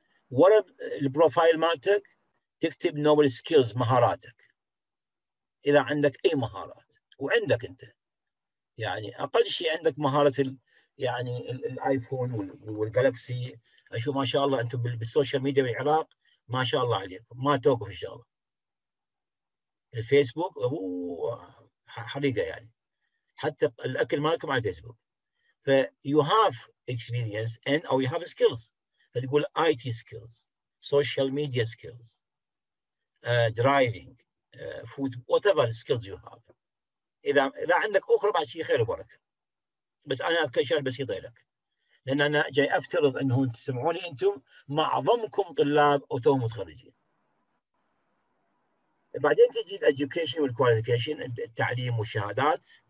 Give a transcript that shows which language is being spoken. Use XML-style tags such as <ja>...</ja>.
<ar>ورا البروفايل مالتك تكتب نوبل سكيلز، مهاراتك، إذا عندك أي مهارات، وعندك أنت يعني أقل شيء عندك مهارة يعني الآيفون والجالكسي. أشوف ما شاء الله أنتم بالسوشيال ميديا بالعراق، ما شاء الله عليكم، ما توقف إن شاء الله. الفيسبوك حريقة يعني، حتى الأكل مالكم على الفيسبوك.</ar> <en>ف you have experience and or you have skills.</en> <ar>فتقول</ar> <en>IT skills, social media skills, driving, food, whatever skills you have.</en> <ar>إذا عندك أخرى بعد شيء خير وبركة. بس أنا أذكر شيء بسيط لك، لأن أنا جاي أفترض أنهم تسمعوني أنتم معظمكم طلاب وتوهم متخرجين. بعدين تجي الـ education والـ qualification، التعليم والشهادات.</ar>